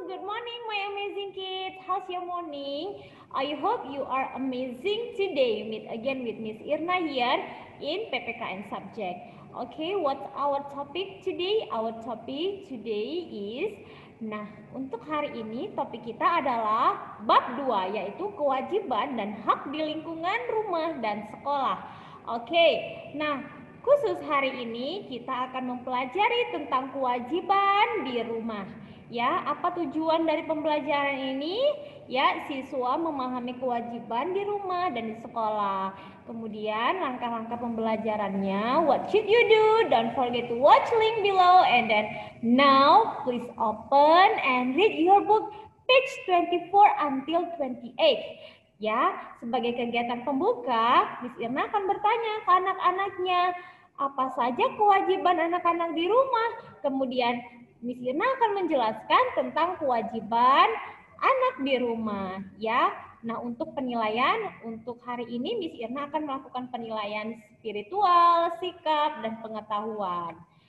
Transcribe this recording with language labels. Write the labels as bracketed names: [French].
[English] morning, my amazing kids. How's your morning? I hope you are amazing today. Meet again with Miss Irna here in PPKN subject. Okay, what's our topic today? Our topic today is, [Indonesian] nah, untuk hari ini topik kita adalah bab 2, yaitu kewajiban dan hak di lingkungan rumah dan sekolah. Okay, nah, khusus hari ini kita akan mempelajari tentang kewajiban di rumah. Ya, apa tujuan dari pembelajaran ini? Ya, siswa memahami kewajiban di rumah dan di sekolah. Kemudian langkah-langkah pembelajarannya, [English] what should you do? Don't forget to watch link below. And then now please open and read your book page 24 until 28. [Indonesian] Ya, sebagai kegiatan pembuka, Miss Irna akan bertanya ke anak-anaknya apa saja kewajiban anak-anak di rumah. Kemudian Miss Irna akan menjelaskan tentang kewajiban anak di rumah, ya. Nah, untuk penilaian untuk hari ini Miss Irna akan melakukan penilaian spiritual, sikap, dan pengetahuan.